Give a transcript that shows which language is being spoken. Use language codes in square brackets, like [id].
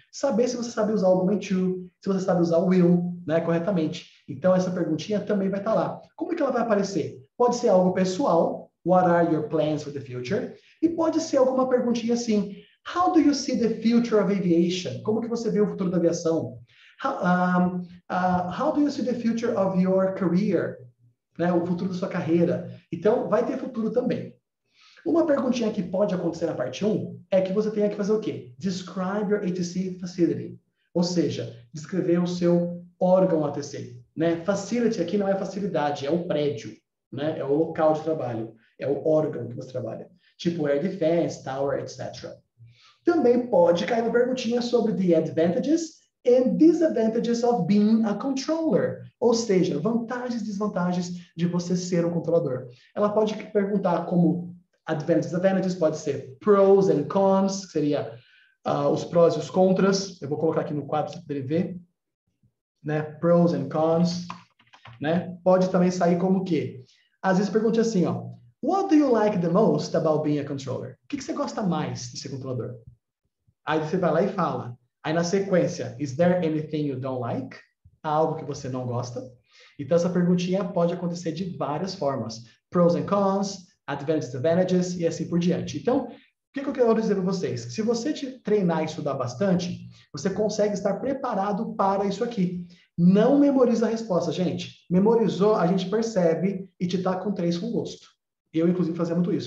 [pt] Saber se você sabe usar o going to, se você sabe usar o will, né, corretamente. Então, essa perguntinha também vai estar lá. Como é que ela vai aparecer? Pode ser algo pessoal, [en] what are your plans for the future? [pt] E pode ser alguma perguntinha assim, [en] how do you see the future of aviation? [pt] Como que você vê o futuro da aviação? [en] How do you see the future of your career? [pt] Né, o futuro da sua carreira. Então, vai ter futuro também. Uma perguntinha que pode acontecer na parte 1 é que você tenha que fazer o quê? [en] Describe your ATC facility. [pt] Ou seja, descrever o seu órgão ATC. Né? Facility aqui não é facilidade, é o prédio, né? É o local de trabalho, é o órgão que você trabalha. Tipo Air Defense, Tower, etc. Também pode cair uma perguntinha sobre [en] the advantages and disadvantages of being a controller. [pt] Ou seja, vantagens e desvantagens de você ser um controlador. Ela pode perguntar como. Advantages, pode ser pros and cons, que seria os prós e os contras. Eu vou colocar aqui no quadro para você ver, né? Pros and cons, né? Pode também sair como o quê? Às vezes pergunte assim, ó: [en] What do you like the most about being a controller? [pt] O que que você gosta mais de ser controlador? Aí você vai lá e fala. Aí na sequência, [en] is there anything you don't like? [pt] Há algo que você não gosta? Então essa perguntinha pode acontecer de várias formas. Pros and cons, advantages, e assim por diante. Então, o que eu quero dizer para vocês? Se você te treinar e estudar bastante, você consegue estar preparado para isso aqui. Não memoriza a resposta, gente. Memorizou, a gente percebe e te dá com três com gosto. Eu, inclusive, fazia muito isso.